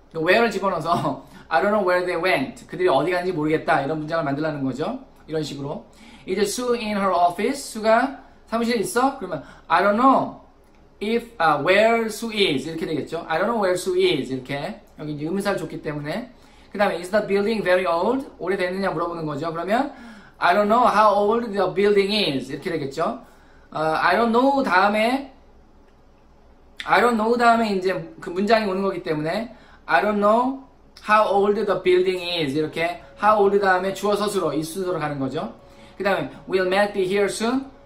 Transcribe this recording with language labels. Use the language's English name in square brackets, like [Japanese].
[English] where를 [Korean] 집어넣어서 [English] I don't know where they went. [Korean] 그들이 어디 갔는지 모르겠다. 이런 문장을 만들라는 거죠. 이런 식으로. [English] Is Sue in her office? [Korean] 수가 사무실에 있어? 그러면 [English] I don't know. If, where Sue is. [Korean] 이렇게 되겠죠. [English] I don't know where Sue is. [Korean] 이렇게. 여기 이제 의문사를 줬기 때문에. 그 다음에, [English] is the building very old? [Korean] 오래됐느냐 물어보는 거죠. 그러면, [English] I don't know how old the building is. [Korean] 이렇게 되겠죠. I don't know 다음에, I don't know 다음에 이제 그 문장이 오는 거기 때문에, [English] I don't know how old the building is. [Korean] 이렇게, how old 다음에 주어 서술어, 이 순서로 가는 거죠. 그 다음에, [English] will Matt be here soon?